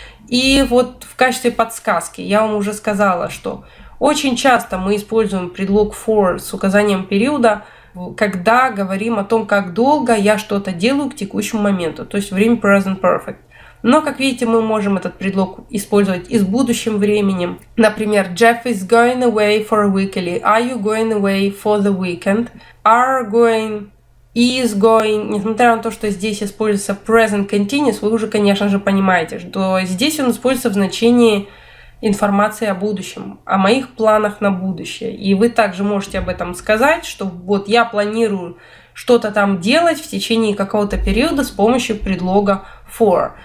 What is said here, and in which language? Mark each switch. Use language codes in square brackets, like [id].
[ru] И вот в качестве подсказки я вам уже сказала, что очень часто мы используем предлог for с указанием периода, когда говорим о том, как долго я что-то делаю к текущему моменту, то есть время present perfect. Но, как видите, мы можем этот предлог использовать и с будущим временем. Например, [en] Jeff is going away for a week, [ru] или [en] are you going away for the weekend? Are going, is going. [ru] Несмотря на то, что здесь используется present continuous, вы уже, конечно же, понимаете, что здесь он используется в значении информации о будущем, о моих планах на будущее. И вы также можете об этом сказать, что вот я планирую что-то там делать в течение какого-то периода с помощью предлога for.